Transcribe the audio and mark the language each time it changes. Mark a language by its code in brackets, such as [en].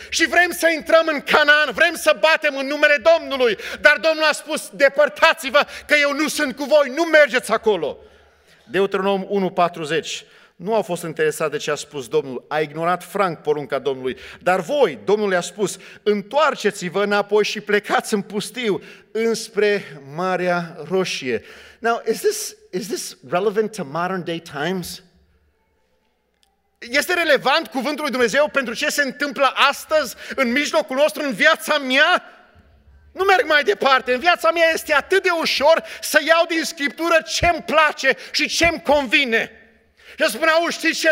[ro] Și vrem să intrăm în Canaan, vrem să batem în numele Domnului, dar Domnul a spus, depărtați-vă, că eu nu sunt cu voi, nu mergeți acolo. Deuteronom 1:40. Nu au fost interesat de ce a spus Domnul, a ignorat franc porunca Domnului. Dar voi, Domnul i-a spus, întoarceți-vă înapoi și plecați în pustiu, înspre Marea Roșie. [en] Now, is this relevant to modern day times? [ro] Este relevant cuvântul lui Dumnezeu pentru ce se întâmplă astăzi, în mijlocul nostru, în viața mea? Nu merg mai departe, în viața mea este atât de ușor să iau din Scriptură ce-mi place și ce-mi convine. Și spune, știți ce?